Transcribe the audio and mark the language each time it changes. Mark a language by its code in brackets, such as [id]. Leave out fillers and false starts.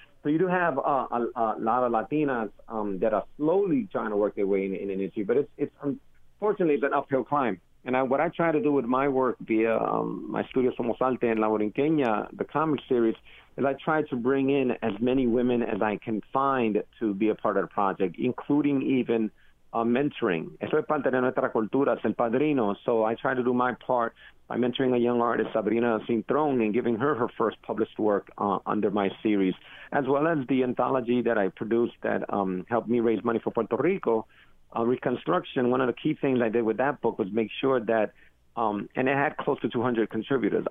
[en] So you do have a lot of Latinas that are slowly trying to work their way in an issue, but it's unfortunately it's an uphill climb. And what I try to do with my work via my studio Somos Alte and La Borinqueña, the comic series, is I try to bring in as many women as I can find to be a part of the project, including even mentoring. [es] Eso es parte de nuestra cultura, es el padrino. [en] So I try to do my part by mentoring a young artist, Sabrina Cintrón, and giving her her first published work under my series, as well as the anthology that I produced that helped me raise money for Puerto Rico, Reconstruction. One of the key things I did with that book was make sure that, and it had close to 200 contributors.